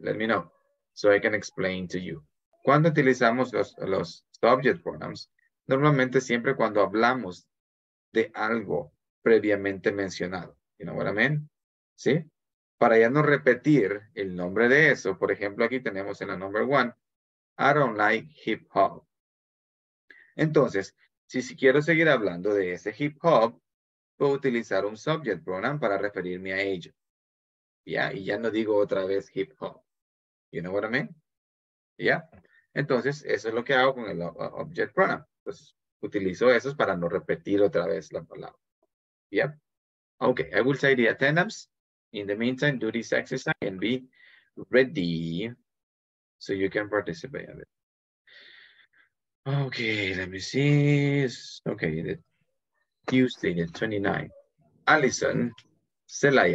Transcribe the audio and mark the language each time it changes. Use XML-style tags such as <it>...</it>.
<en>Let me know so I can explain to you.</en> <es>Cuando utilizamos los subject pronouns, normalmente siempre cuando hablamos de algo previamente mencionado.</es> <en>You know what I mean?</en> <es>¿Sí? Para ya no repetir el nombre de eso, por ejemplo, aquí tenemos en la</es> <en>number one, I don't like hip hop.</en> <es>Entonces, si quiero seguir hablando de ese hip hop, puedo utilizar un subject pronoun para referirme a ello. ¿Ya? Y ya no digo otra vez hip hop.</es> <en>You know what I mean?</en> <es>¿Ya? Entonces, eso es lo que hago con el object pronoun. Entonces, utilizo esos para no repetir otra vez la palabra.</es> <en>Yep. Okay, I will say the attendance. In the meantime, do this exercise and be ready so you can participate in it. Okay, let me see. Okay, the Tuesday, the 29. Allison, Celaya.</en>